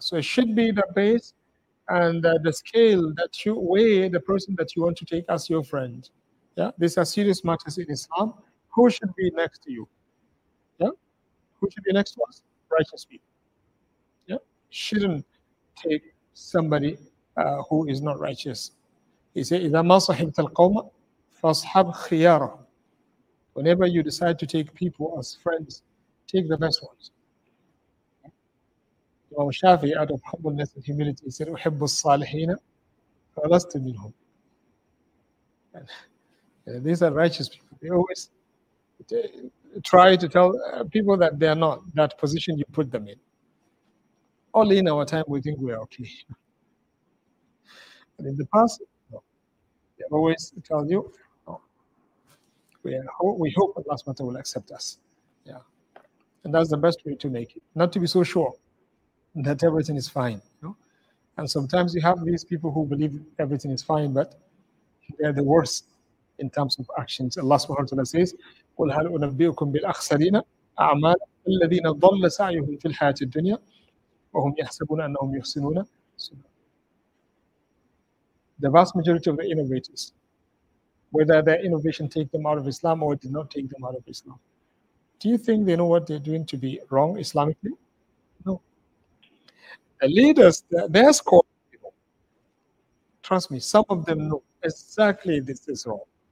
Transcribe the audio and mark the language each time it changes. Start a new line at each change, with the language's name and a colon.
English: So it should be the base and the scale that you weigh the person that you want to take as your friend. Yeah. These are serious matters in Islam. Who should be next to you? Yeah. Who should be next to us? Righteous people. Yeah. Shouldn't take somebody who is not righteous. He said,
Arabic: إِذَا مَا صَحِبْتَ الْقَوْمَ فَاصْحَبْ خِيَارَهُ.
English: Whenever you decide to take people as friends, take the best ones. Imam Shafi, out of humbleness and humility, said,
Arabic: أُحِبُّ الصَّالِحِينَ فَلَسْتُ مِنْهُمْ.
English: These are righteous people. They always try to tell people that they are not that position you put them in. Only in our time we think we are okay. But in the past, no. They always tell you, We hope Allah SWT will accept us. Yeah. And that's the best way to make it. Not to be so sure that everything is fine. You know? And sometimes you have these people who believe everything is fine, but they're the worst in terms of actions. Allah SWT says,
Arabic: قُلْ هَلْ أُنَبِّئُكُمْ بِالْأَخْسَرِينَ أَعْمَالَ الَّذِينَ ضَلَّ سَعْيُهُمْ فِي الْحَيَاةِ الدُّنْيَا وَهُمْ يَحْسَبُونَ أَنَّهُمْ يُحْسِنُونَ.
English: The vast majority of the innovators, whether their innovation take them out of Islam or it did not take them out of Islam. Do you think they know what they're doing to be wrong Islamically? No. The leaders, their score, you know, trust me, some of them know exactly this is wrong.